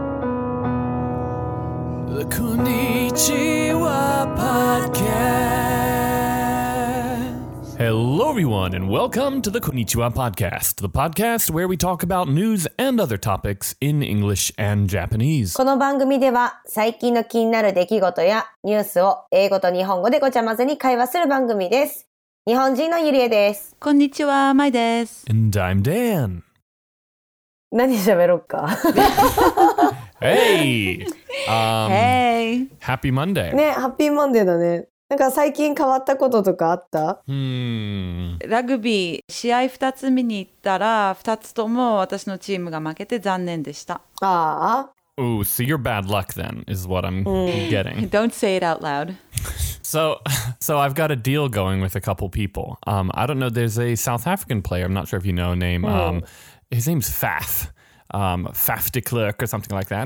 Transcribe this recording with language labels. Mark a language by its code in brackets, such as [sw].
[ja] こんにちは、パッケース。 [en] Hello everyone and welcome to the こんにちは podcast, the podcast where we talk about news and other topics in English and Japanese. [ja] この番組では最近の気になる出来事やニュースを英語と日本語でごちゃ混ぜに会話する番組です。日本人のゆりえです。こんにちは、まいです。 [en] And I'm Dan。 [ja] 何喋ろうか。 [en] Hey! Hey! Happy Monday! [ja] ね、 [en] Happy Monday [ja] だね。なんか最近変わったこととかあった？ラグビー試合2つ見に行ったら、2つとも私のチームが負けて残念でした。ああ。 [en] Ooh, so you're bad luck then, is what I'm getting. Don't say it out loud. So I've got a deal going with a couple people. I don't know, there's a South African player, I'm not sure if you know name. His name's Faf. Faf de Klerk or something like that.